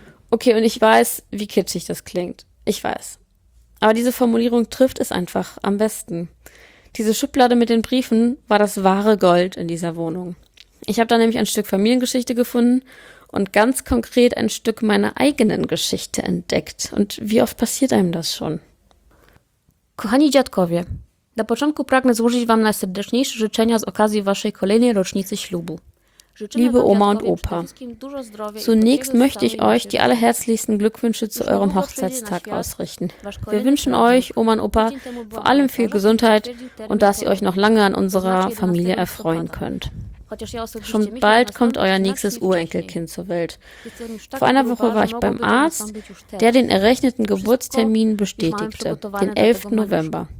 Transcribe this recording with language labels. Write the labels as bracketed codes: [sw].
[de] Okay, und ich weiß, wie kitschig das klingt. Ich weiß. Aber diese Formulierung trifft es einfach am besten. Diese Schublade mit den Briefen war das wahre Gold in dieser Wohnung. Ich habe da nämlich ein Stück Familiengeschichte gefunden und ganz konkret ein Stück meiner eigenen Geschichte entdeckt. Und wie oft passiert einem das schon? [pl] Kochani dziadkowie, na początku pragnę złożyć wam najserdeczniejsze życzenia z okazji waszej kolejnej rocznicy ślubu. [de] Liebe Oma und Opa, zunächst möchte ich euch die allerherzlichsten Glückwünsche zu eurem Hochzeitstag ausrichten. Wir wünschen euch, Oma und Opa, vor allem viel Gesundheit und dass ihr euch noch lange an unserer Familie erfreuen könnt. Schon bald kommt euer nächstes Urenkelkind zur Welt. Vor einer Woche war ich beim Arzt, der den errechneten Geburtstermin bestätigte, den 11. November.